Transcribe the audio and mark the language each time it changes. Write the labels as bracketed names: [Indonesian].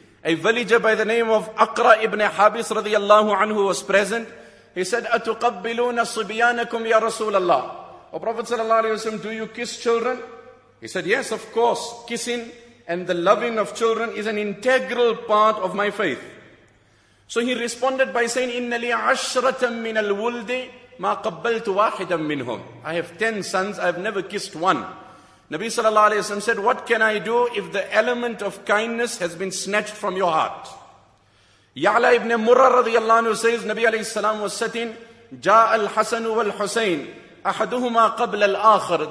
[English] A villager by the name of Aqra ibn Habis radiyallahu anhu was present. He said, [Arabic] "Atuqabbiluna subyanakum ya Rasulallah?" [English] O Prophet sallallahu alaihi wasallam, do you kiss children? He said, yes, of course, kissing and the loving of children is an integral part of my faith. So he responded by saying, [Arabic] إِنَّ لِي عَشْرَةً مِنَ الْوُلْدِ مَا قَبَّلْتُ وَاحِدًا مِّنْهُمْ. [English] I have 10 sons, I have never kissed one. Nabi sallallahu alayhi wa sallam said, what can I do if the element of kindness has been snatched from your heart? Ya'la ibn Murra radiyallahu anhu says, Nabi alayhi sallam was sitting, [Arabic] جَاءَ الْحَسَنُ وَالْحُسَيْنِ أَحَدُهُمَا قَبْلَ الْآخِرِ.